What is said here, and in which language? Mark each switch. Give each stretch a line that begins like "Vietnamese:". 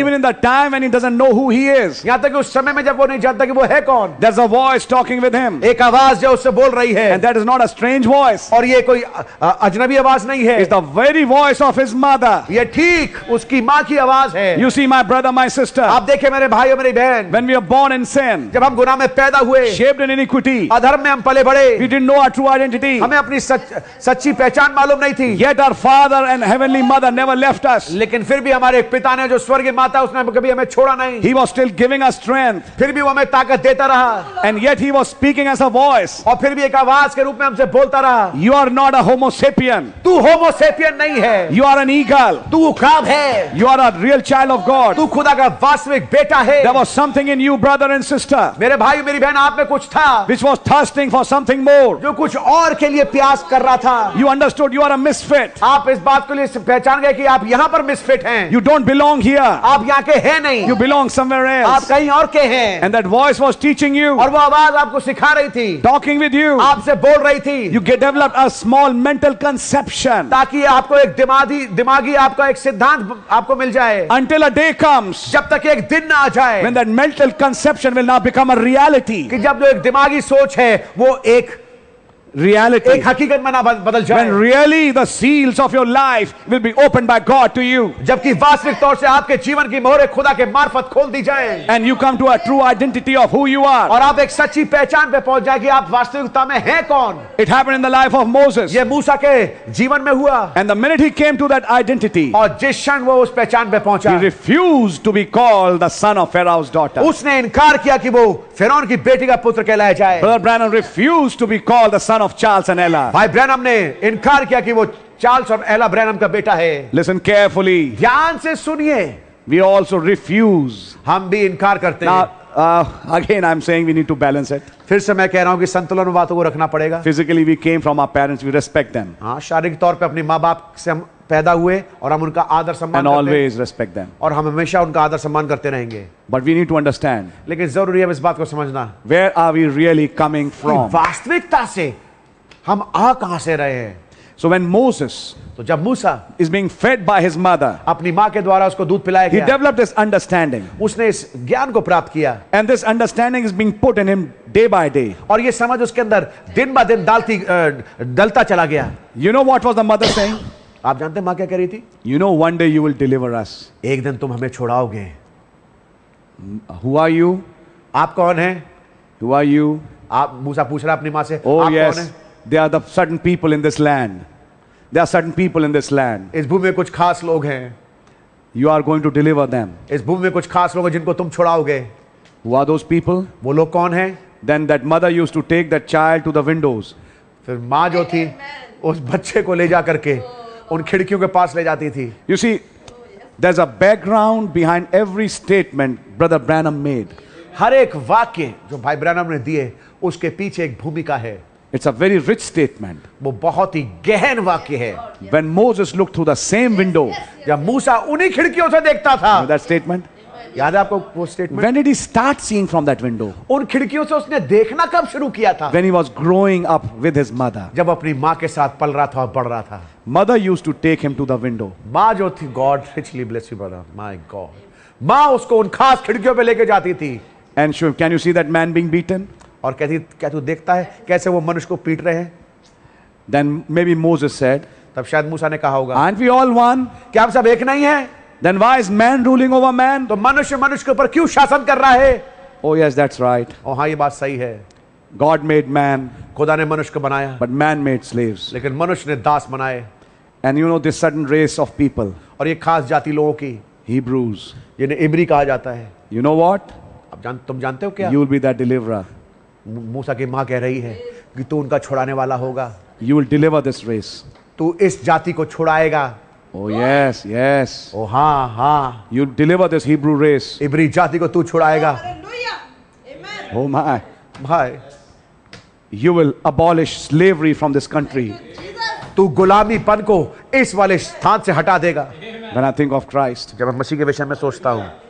English: Even in the time when he doesn't know who he is.
Hindi: यहाँ तक कि उस समय में जब वो नहीं जानता कि वो है कौन.
English: There's a voice talking with him.
Hindi: एक आवाज जो उससे बोल रही है.
English: And that is not a strange voice.
Hindi: और ये कोई अजनबी आवाज नहीं है.
English: It's the very voice of his mother.
Hindi: ये ठीक उसकी माँ की आवाज है.
English: You see my brother, my sister.
Hindi: आप देखें मेरे भाई और मेरी बहन.
English: When we are born in sin.
Hindi: जब हम गुनाह में पैदा हुए.
English: Shaped in iniquity.
Hindi: अधर्म में हम पले बड़े.
English: We didn't know our true identity.
Hindi: हमें अपनी सच्ची पहचान मालूम नहीं थी.
English: Yet our father and heavenly mother never left us.
Hindi: लेकिन फिर भी हमारे पिता ने जो स्वर्गीय माता उसने कभी हमें छोड़ा नहीं.
English: He was still giving us strength.
Hindi: फिर भी वो हमें ताकत देता रहा.
English: And yet he was speaking as a voice.
Hindi: और फिर भी एक आवाज के रूप में हमसे बोलता रहा.
English: You are not a homo sapien.
Hindi: तू homo sapien नहीं है.
English: You are an eagle.
Hindi: तू उकाब है.
English: You are a real child of God.
Hindi: तू खुदा का वास्तविक बेटा है.
English: There was something in you, brother and sister.
Hindi: मेरे भाई मेरी बहन आप में कुछ था.
English: Which was thirsting for something more.
Hindi: जो कुछ और के लिए प्यास कर रहा था.
English: You understood you are a misfit.
Hindi: आप इस बात को लिए पहचान गए कि आप यहाँ पर misfit हैं.
English: You don't belong here.
Hindi: आप यहाँ के हैं नहीं.
English: You belong somewhere else.
Hindi: आप कहीं और के हैं.
English: And that voice was teaching you.
Hindi: और वो आवाज आपको सिखा रही थी.
English: Talking with you.
Hindi: आपसे बोल रही थी.
English: You developed a small mental conception.
Hindi: ताकि आपको एक दिमागी आपका एक सिद्धांत आपको मिल जाए.
English: Until a day comes.
Hindi: जब तक एक दिन ना आ जाए.
English: When that mental conception will now become a reality.
Hindi: कि जब जो एक दिमागी सोच है वो एक
English: reality.
Hindi: एक हकीकत में ना बदल जाए.
English: When really the seals of your life will be opened by God to you.
Hindi: जबकि वास्तविक तौर से आपके जीवन की मोहरें खुदा के मार्फत खोल दी जाएं.
English: And you come to a true identity of who you are.
Hindi: और आप एक सच्ची पहचान पे पहुंच जाएगी आप वास्तविकता में हैं कौन.
English: It happened in the life of Moses.
Hindi: ये मूसा के जीवन में हुआ.
English: And the minute he came to that identity.
Hindi: और जिस क्षण वो उस पहचान पे पहुंचा.
English: He refused to be called the son of Pharaoh's daughter.
Hindi: उसने इनकार किया कि वो फिरौन की बेटी का पुत्र कहलाया जाए.
English: Brother Branham refused to be called the son of Charles and Ella.
Hindi: भाई ब्रैनम ने इनकार किया कि वो चार्ल्स और एला ब्रैनम का बेटा है.
English: Listen carefully.
Hindi: ध्यान से सुनिए.
English: We also refuse.
Hindi: हम भी इनकार करते हैं.
English: Again, I'm saying we need to balance it.
Hindi: फिर से मैं कह रहा हूँ कि संतुलन बातों को रखना पड़ेगा.
English: Physically, we came from our parents. We respect them.
Hindi: हाँ, शारीरिक तौर पे अपने माँबाप से हम पैदा हुए और हम उनका आदर सम्मान
English: and always respect them.
Hindi: और हम हमेशा उनका आदर सम्मान करते रहेंगे.
English: But we need to understand.
Hindi: लेकिन जरूरी है इस बात को समझना.
English: Where are we really coming from?
Hindi: वास्तविकता से हम आ कहां से रहे हैं.
English: So when Moses
Hindi: तो जब मूसा
English: is being fed by his mother
Hindi: अपनी माँ के द्वारा उसको दूध पिलाया गया.
English: He developed this understanding.
Hindi: उसने इस ज्ञान को प्राप्त किया.
English: And this understanding is being put in him day by day.
Hindi: और ये समझ उसके अंदर दिन ब दिन डलता चला गया.
English: You know what was the mother saying?
Hindi: आप जानते हैं माँ क्या कह रही थी?
English: You know one day you will deliver us.
Hindi: एक दिन तुम हमें छोड़ाओगे.
English: Who are you?
Hindi: आप कौन हैं?
English: Who are you?
Hindi: आप मूसा पूछ रहा है अपनी माँ से.
English: Oh yes. There are the certain people in this land. There are certain people in this land.
Hindi: इस भूमि में कुछ खास लोग हैं.
English: You are going to deliver them.
Hindi: इस भूमि में कुछ खास लोग हैं जिनको तुम छोड़ाओगे.
English: Who are those people?
Hindi: वो लोग कौन हैं?
English: Then that mother used to take that child to the windows.
Hindi: फिर माँ जो थी उस बच्चे को ले जा करके उन खिड़कियों के पास ले जाती थी.
English: You see, there's a background behind every statement Brother Branham made.
Hindi: हर एक वाक्य जो भाई ब्रैनम ने दिए उसके पीछे एक भूमिका है.
English: It's a very rich statement.
Hindi: वो बहुत ही गहन वाक्य है.
English: When Moses looked through the same window,
Hindi: जब मूसा उन्हीं खिड़कियों से देखता था.
English: That statement.
Hindi: याद है आपको वो statement?
English: When did he start seeing from that window?
Hindi: उन खिड़कियों से उसने देखना कब शुरू किया था?
English: When he was growing up with his mother.
Hindi: जब अपनी माँ के साथ पल रहा था और बढ़ रहा था.
English: Mother used to take him to the window.
Hindi: माँ जो थी,
English: God richly bless you, brother. My God.
Hindi: माँ उसको उन खास खिड़कियों पे लेके जाती थी.
English: And sure, can you see that man being beaten?
Hindi: और कहती क्या तू देखता है कैसे वो मनुष्य को पीट रहे हैं.
English: Then maybe Moses said,
Hindi: तब शायद मूसा ने कहा होगा,
English: aren't we all one?
Hindi: क्या हम सब एक नहीं हैं?
English: Then why is man ruling over man?
Hindi: तो मनुष्य मनुष्य के ऊपर क्यों शासन कर रहा है?
English: Oh yes, that's right.
Hindi: ओ हाँ, ये बात सही है.
English: God made man.
Hindi: खुदा ने मनुष्य को बनाया.
English: But man made slaves.
Hindi: लेकिन मनुष्य ने दास बनाए.
English: And you know this certain race of people.
Hindi: और ये खास जाति लोगों की.
English: Hebrews.
Hindi: जिन्हें इब्री कहा जाता है.
English: You know what?
Hindi: अब तुम जानते हो क्या?
English: You will be that deliverer.
Hindi: मूसा की माँ कह रही है कि तू उनका छुड़ाने वाला होगा.
English: You will deliver this race.
Hindi: तू इस जाति को छुड़ाएगा.
English: Oh yes, yes.
Hindi: Oh हाँ हाँ.
English: You will deliver this Hebrew race.
Hindi: इब्री जाति को तू छुड़ाएगा.
English: Hallelujah. Amen. Oh my.
Hindi: भाई.
English: You will abolish slavery from this country.
Hindi: तू गुलामी पन को इस वाले स्थान से हटा देगा.
English: When I think of Christ.
Hindi: जब मैं मसीह के विषय में सोचता हूँ.